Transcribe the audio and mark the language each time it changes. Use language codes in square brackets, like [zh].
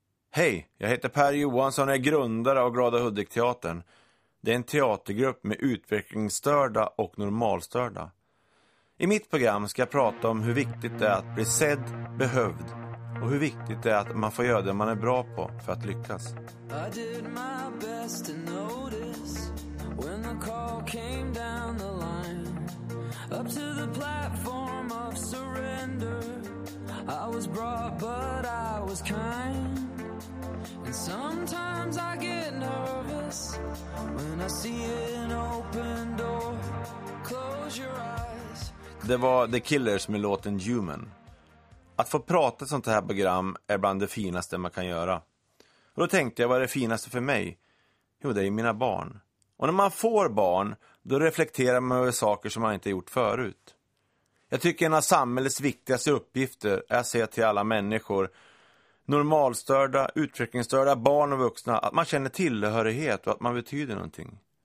[sv] Hej, jag heter Per Johansson och är grundare av Glada Hudik-teatern. Det är en teatergrupp med utvecklingsstörda och normalstörda. I mitt program ska jag prata om hur viktigt det är att bli sedd, behövd. Och hur viktigt det är att man får göra det man är bra på för att lyckas. [en] I did my best to notice when the call came down the line. Up to the platform of surrender. I was brought but I was kind. And sometimes I get nervous when I see an open door. Close your eyes. [sv] Det var The Killers med låten Human. Att få prata sånt här program är bland det finaste man kan göra. Och då tänkte jag, vad är det finaste för mig? Jo, det är mina barn. Och när man får barn, då reflekterar man över saker som man inte gjort förut. Jag tycker en av samhällets viktigaste uppgifter är att säga till alla människor, normalstörda, utvecklingsstörda, barn och vuxna, att man känner tillhörighet och att man betyder någonting.